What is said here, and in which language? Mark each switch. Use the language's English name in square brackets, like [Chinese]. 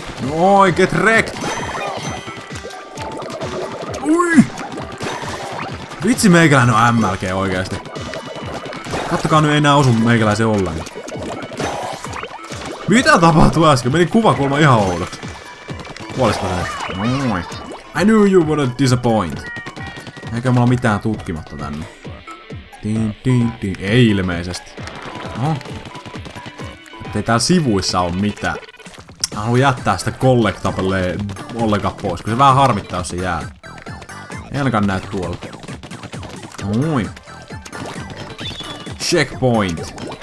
[English] Noi, get wrecked! [Finnish] Vitsi, meikäläinen on MLG oikeesti. Kattokaa nyt, ei enää osu meikäläisen ollenkaan. Mitä tapahtui äsken? Meni kuvakulma ihan oudoksi. Kuolisiko se? Moi. [English] I knew you wouldn't disappoint. [Finnish] Eikä mulla mitään tutkimatta tänne. Tin tin tin. Ei ilmeisesti. Oho. Ettei täällä sivuissa oo mitään. Mä haluun jättää sitä collectablea ollenkaan pois, kun se vähän harmittaa, jos se jää. Ei ainakaan näy tuolla. Noin. Checkpoint.